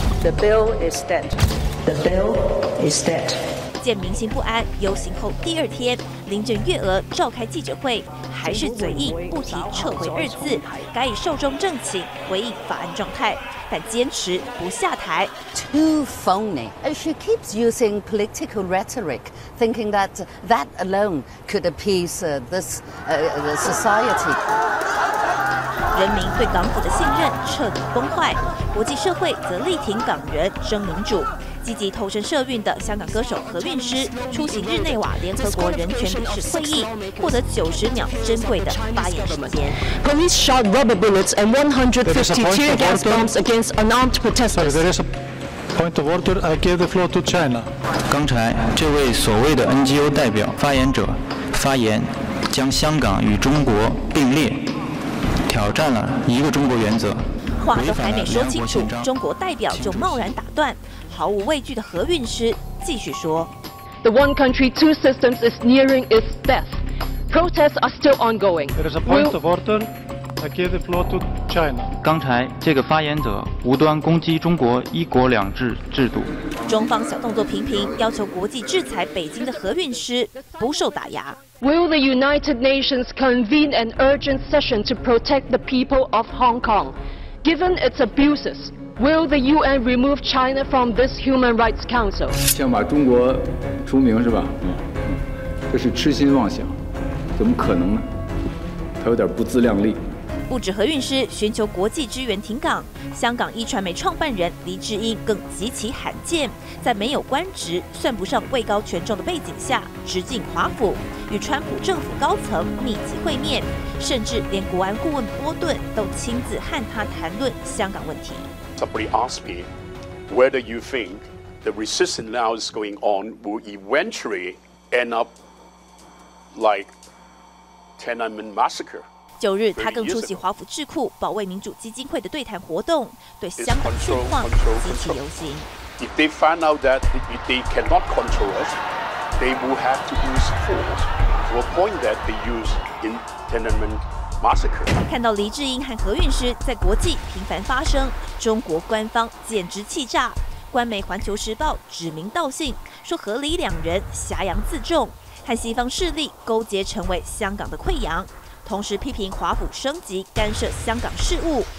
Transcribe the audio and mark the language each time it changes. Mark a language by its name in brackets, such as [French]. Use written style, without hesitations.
[English] The bill is dead. [Chinese] 见民心不安，游行后第二天，林郑月娥召开记者会，还是嘴硬不提撤回二字，改以寿终正寝回应法案状态，但坚持不下台。 [English] Too phony, and she keeps using political rhetoric, thinking that that alone could appease this society. [Chinese] 人民对港府的信任彻底崩坏，国际社会则力挺港人争民主。积极投身社运的香港歌手何韵诗出席日内瓦联合国人权理事会议，获得90秒珍贵的发言时间。 [English] Police shot rubber bullets and 152 gas bombs against unarmed protesters. Point of order, I give the floor to China. [Chinese] 刚才这位所谓的 NGO 代表发言者发言，将香港与中国并列，挑战了一个中国原则。话都还没说清楚，中国代表就贸然打断，毫无畏惧的何韵诗继续说 [English] ：“The one country, two systems is nearing its death. Protests are still ongoing. There is a point of order. I give the floor to China. [Chinese] 刚才这个发言者无端攻击中国一国两制制度，中方小动作频频，要求国际制裁北京的何韵诗不受打压。 [English] Will the United Nations convene an urgent session to protect the people of Hong Kong? Given its abuses, will the UN remove China from this Human Rights Council? [Chinese] 想把中国除名是吧？这是痴心妄想，怎么可能呢？他有点不自量力。不止何韵诗寻求国际支援停港，香港壹传媒创办人黎智英更极其罕见，在没有官职、算不上位高权重的背景下，直进华府与川普政府高层密集会面，甚至连国安顾问波顿都亲自和他谈论香港问题。 [English] Somebody asked me whether you think the resistance now is going on will eventually end up like Tiananmen massacre. [Chinese] 九日，他更出席华府智库保卫民主基金会的对谈活动，对香港现况集体游行。 [English] If they find out that they cannot control us, they will have to use force to a point that they use in Tiananmen massacre. [Chinese] 看到黎智英和何韵诗在国际频繁发声，中国官方简直气炸。官媒《环球时报》指名道姓说，何黎两人挟洋自重，和西方势力勾结，成为香港的溃疡。同时批评华府升级干涉香港事务。